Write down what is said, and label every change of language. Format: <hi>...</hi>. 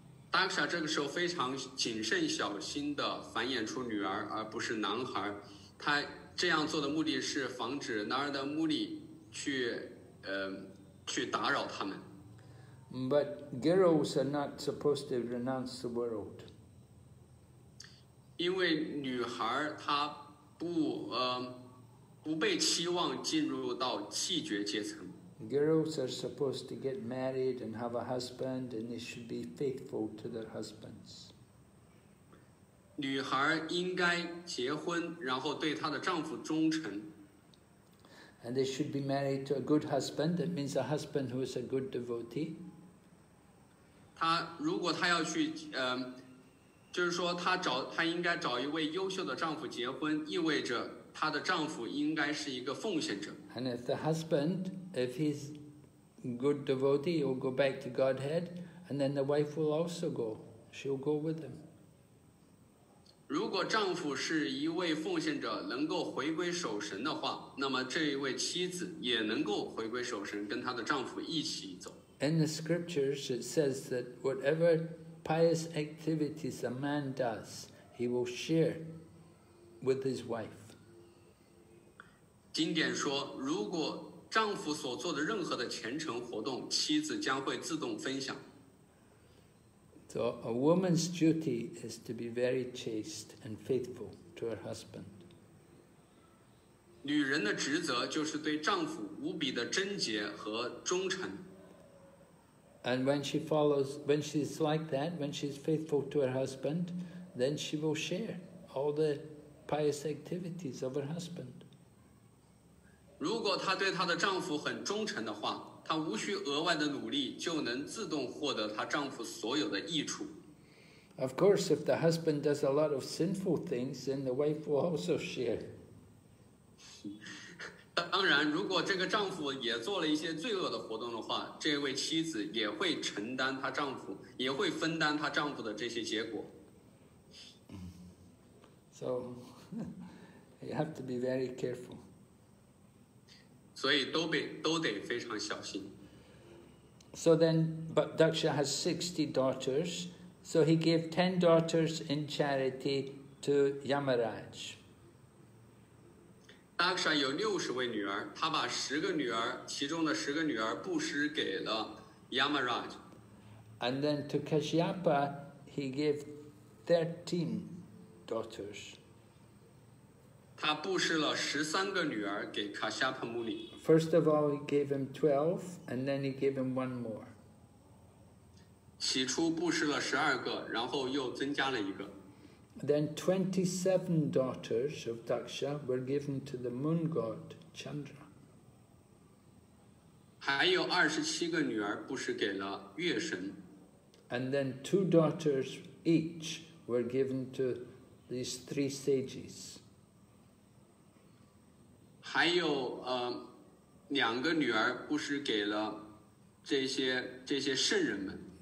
<zh>Daksha 这个时候非常谨慎小心地繁衍出女儿而不是男孩，他这样做的目的是防止 Narada Muni 去打扰他们。</zh> <en>But girls are not supposed to renounce the world.</en> <zh>因为女孩她不被期望进入到弃绝阶层。</zh> <en>Girls are supposed to get married and have a husband, and they should be faithful to their husbands.</en> <zh>女孩应该结婚，然后对她的丈夫忠诚。</zh> <en>And they should be married to a good husband. That means a husband who is a good devotee.</en> <zh>她如果她要去就是说她应该找一位优秀的丈夫结婚，意味着她的丈夫应该是一个奉献者。</zh> <en>And if the husband, if he's good devotee, he'll go back to Godhead, and then the wife will also go. She'll go with him.</en> <zh>如果丈夫是一位奉献者，能够回归守神的话，那么这一位妻子也能够回归守神，跟她的丈夫一起走。</zh> <en>In the scriptures, it says that whatever pious activities a man does, he will share with his wife.</en> <zh>经典说，如果丈夫所做的任何的虔诚活动，妻子将会自动分享。</zh> <en>So a woman's duty is to be very chaste and faithful to her husband.</en> <zh>女人的职责就是对丈夫无比的贞洁和忠诚。</zh> <en>And when she follows, when she's like that, when she's faithful to her husband, then she will share all the pious activities of her husband.</en> <zh>如果她对她的丈夫很忠诚的话，她无需额外的努力，就能自动获得她丈夫所有的益处。</zh> <en>Of course, if the husband does a lot of sinful things, then the wife will also share.</en> <zh>当然，如果这个丈夫也做了一些罪恶的活动的话，这位妻子也会承担她丈夫，也会分担她丈夫的这些结果。</zh> <en>So you have to be very careful.</en> <zh>所以都得非常小心。</zh> <en>So then, but Daksha has 60 daughters, so he gave 10 daughters in charity to Yamaraj.</en> <zh>Daksha 有六十位女儿，她把十个女儿，其中的十个女儿布施给了 Yamaraj。</zh> <en>And then to Kashyapa, he gave 13 daughters.</en> <zh>他布施了十三个女儿给 Kashyapa Muni.</zh> <en>First of all, he gave him 12, and then he gave him one more.</en> <zh>起初布施了十二个，然后又增加了一个。</zh> <en>Then 27 daughters of Daksha were given to the moon god Chandra.</en> <zh>还有二十七个女儿布施给了月神。</zh> <en>And then 2 daughters each were given to these 3 sages.</en> <zh>还有两个女儿布施给了这些圣人们。</zh>